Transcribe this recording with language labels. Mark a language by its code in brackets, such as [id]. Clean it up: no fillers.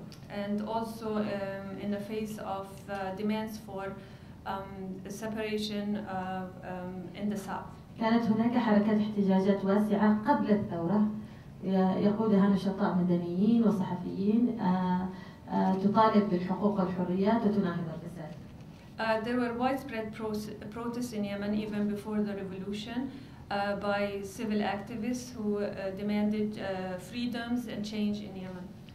[en] And also in the face of demands for separation in the south. [ar] كانت هناك حركات احتجاجات واسعة قبل الثورة يقودها نشطاء مدنيين وصحفيين تطالب بالحقوق والحريات وتناهض الفساد. [en] There were widespread protests in Yemen even before the revolution. By civil activists who demanded freedoms and change in Yemen.